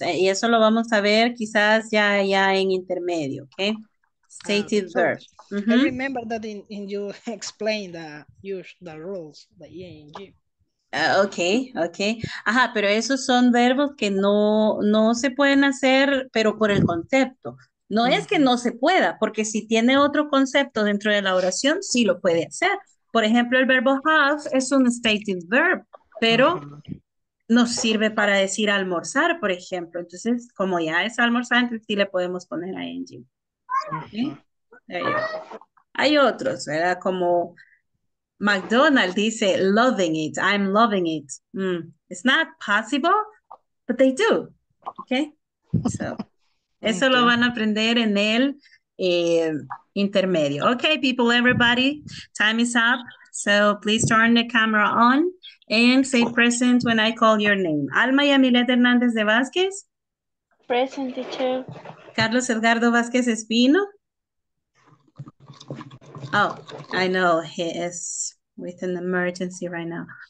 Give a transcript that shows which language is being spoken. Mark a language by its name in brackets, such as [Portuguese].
[Spanish] Y eso lo vamos a ver quizás ya en intermedio, okay? [English] Stated verbs. Mm-hmm. I remember that in you explained the use the rules, the ing. Okay. [Spanish] Ajá, pero esos son verbos que no se pueden hacer, pero por el concepto. No es que no se pueda, porque si tiene otro concepto dentro de la oración, sí lo puede hacer. Por ejemplo, el verbo have es un stated verb, pero nos sirve para decir almorzar, por ejemplo. Entonces, como ya es almorzar, entonces sí le podemos poner a ing. Okay. Hay otros, ¿verdad? Como... [English] McDonald dice, loving it, I'm loving it. Mm. It's not possible, but they do, okay? [Spanish] So, eso lo van a aprender en el intermedio. [English] Okay, people, everybody, time is up. So, please turn the camera on and say present when I call your name. Alma Yamilet Hernández de Vázquez. Present, teacher. Carlos Edgardo Vázquez Espino. Oh, I know, he is with an emergency right now.